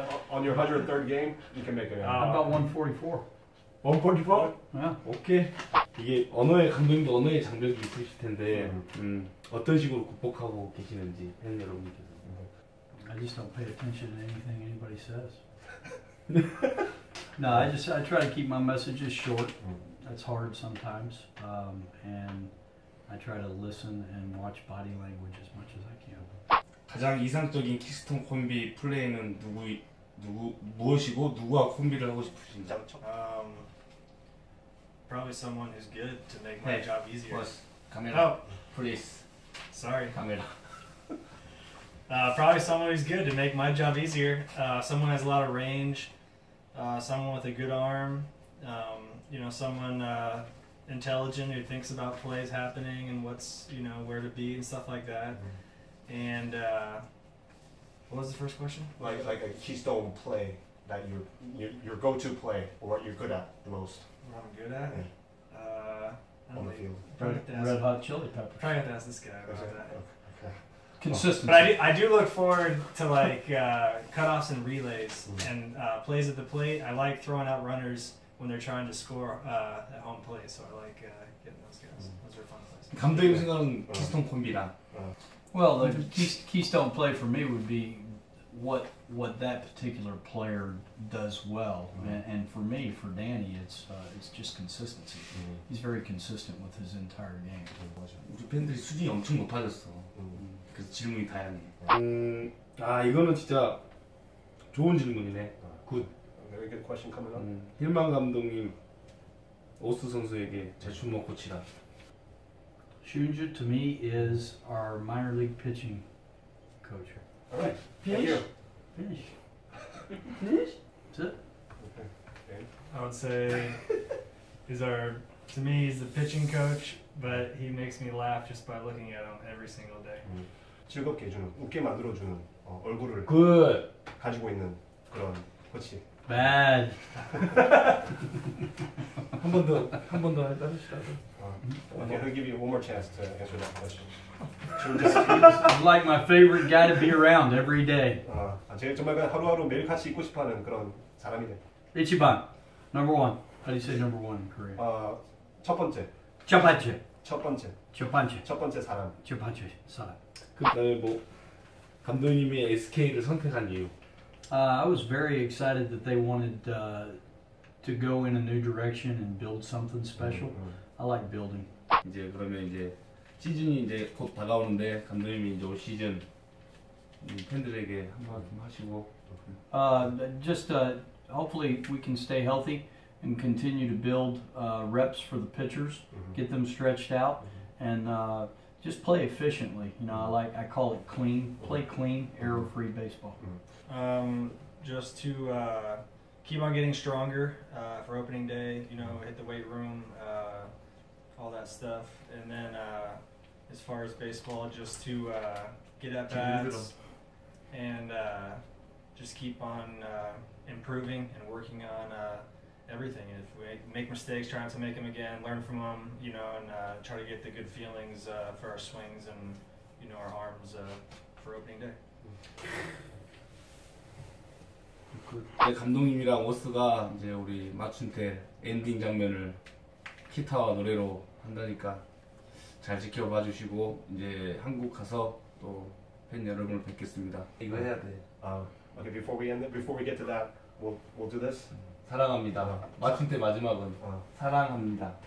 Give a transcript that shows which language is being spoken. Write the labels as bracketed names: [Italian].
[English] on your 103rd game, you can make it. How about 144? 144? [Korean] 네, yeah. 오케이. Okay. 이게 언어의 감독님도 언어의 장벽이 있으실 텐데 어떤 식으로 극복하고 계시는지 팬 여러분께서. [English] I just don't pay attention to anything anybody says. No, I try to keep my messages short. That's hard sometimes. And I try to listen and watch body language as much as I can. [Korean] 가장 이상적인 키스톤 콤비 플레이는 누구 무엇이고 누구와 콤비를 하고 싶으신가? [English] Probably someone who's good to make my job easier. Plus, camera. Oh, please. Sorry. Camera. probably someone who's good to make my job easier. Someone has a lot of range. Someone with a good arm. You know, someone. Intelligent, who thinks about plays happening and what's, you know, where to be and stuff like that. And what was the first question? Like a keystone play that your go-to play or what you're good at the most. What I'm good at? Yeah. On the field. Red hot chili peppers. Probably have to ask this guy about that. Okay. Consistency. But I do look forward to like cutoffs and relays and plays at the plate. I like throwing out runners when they're trying to score at home plate, so I like getting those guys. Those are fun plays. [Korean] 감독님 생각은 키스톤 콤비라. [English] Well, the keystone play for me would be what that particular player does well. And for me, for Danny, it's just consistency. He's very consistent with his entire game. [Korean] 우리 팬들이 수준이 엄청 높아졌어. 그래서 질문이 다양해. 아, 이거는 진짜 좋은 질문이네. [English] Good. Very good question coming up. [Korean] 힐만 감독님 오스 선수에게 제출모 코치라. [English] Shunju to me is our minor league pitching coach. All right. Finish. That's it. Okay. I would say he's the pitching coach, but he makes me laugh just by looking at him every single day. [Korean] 즐겁게 주는, 웃게 만들어 주는 얼굴을 [English] good. [Korean] 가지고 있는 그런 코치. [English] Bad. [Korean] 한 번 더 해 따르시라고. [English] Okay, I'll give you one more chance to answer that question. I'm like my favorite guy to be around every day. [Korean] 제가 정말 하루하루 매일 같이 있고 싶어하는 그런 사람이네. 1번. [English] Number one. How do you say number one in Korean? [Korean] 첫 번째 사람. 첫 번째 사람. 그다음에 뭐 감독님이 SK를 선택한 이유. [English] I was very excited that they wanted to go in a new direction and build something special. I like building. [Korean] 이제 그러면 이제 시즌이 이제 곧 다가오는데 감독님이 이제 올 시즌 팬들에게 한 말씀 하시고. [English] Hopefully we can stay healthy and continue to build reps for the pitchers, get them stretched out, and just play efficiently. You know, I call it clean. Play clean, error-free baseball. Just to keep on getting stronger for opening day, you know, hit the weight room, all that stuff. And then as far as baseball, just to get at bats and just keep on improving and working on everything. If we make mistakes, trying to make them again, learn from them, you know, and try to get the good feelings for our swings and, you know, our arms for opening day. [Korean] 그 감독님이랑 워스가 이제 우리 마춘텔 엔딩 장면을 기타와 노래로 한다니까 잘 지켜봐 주시고 이제 한국 가서 또 팬 여러분을 뵙겠습니다. 이거 해야 돼. [English] 아, okay, before we end it, before we get to that, we'll do this. [Korean] 사랑합니다. 마춘텔 마지막은 사랑합니다.